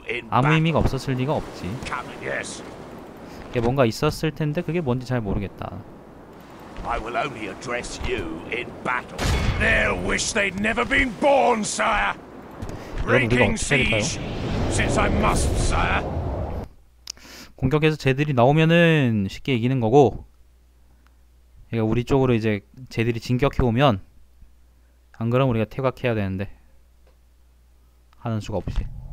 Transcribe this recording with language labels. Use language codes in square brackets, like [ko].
[ko] 아무 의미가 없었을 리가 없지. 그게 뭔가 있었을 텐데 그게 뭔지 잘 모르겠다. [en] I will only address you in battle. They'll wish they'd never been born, sire. Breaking siege. Since I must, sire. [ko] 공격해서 쟤들이 나오면은 쉽게 이기는 거고, 그러니까 우리 쪽으로 이제 쟤들이 진격해 오면 안 그럼 우리가 퇴각해야 되는데 하는 수가 없지.